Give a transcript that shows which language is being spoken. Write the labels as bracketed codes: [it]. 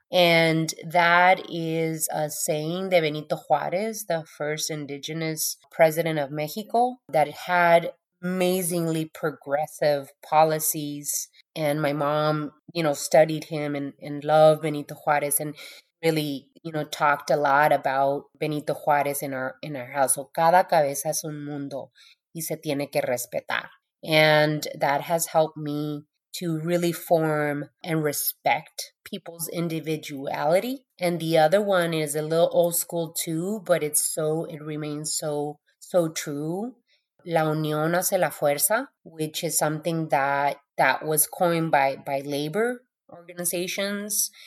[en] And that is a saying de Benito Juárez, the first indigenous president of Mexico, that had amazingly progressive policies. And my mom, you know, studied him and loved Benito Juárez and really, you know, talked a lot about Benito Juárez in our household. [es] Cada cabeza es un mundo y se tiene que respetar. [en] And that has helped me to really form and respect people's individuality. And the other one is a little old school too, but it remains so, so true. [es] La unión hace la fuerza, [en] which is something that was coined by labor organizations.